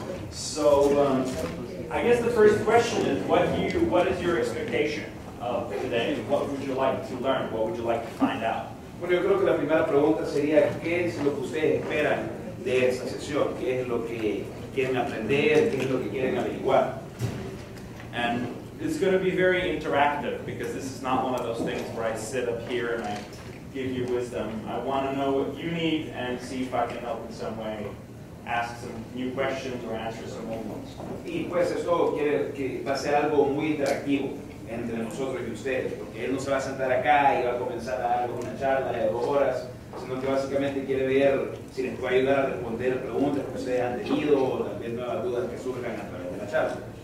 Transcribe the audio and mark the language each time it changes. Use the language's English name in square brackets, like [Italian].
[English] So, I guess the first question is, what is your expectation of today? What would you like to learn? What would you like to find out? [Spanish] Bueno, yo creo que la primera pregunta sería, ¿qué es lo que ustedes esperan de esa sesión? ¿Qué es lo que quieren aprender? ¿Qué es lo que quieren averiguar? [English] And it's going to be very interactive, because this is not one of those things where I sit up here and I give you wisdom. I want to know what you need and see if I can help in some way, ask some new questions or answer some old ones. [Spanish] Y pues esto quiere que va a ser algo muy interactivo entre nosotros y ustedes, porque él no se va a sentar acá y va a comenzar a dar una charla de dos horas, sino que básicamente quiere ver si les puede ayudar a responder preguntas que ustedes han tenido o también nuevas dudas que surjan a través de la charla.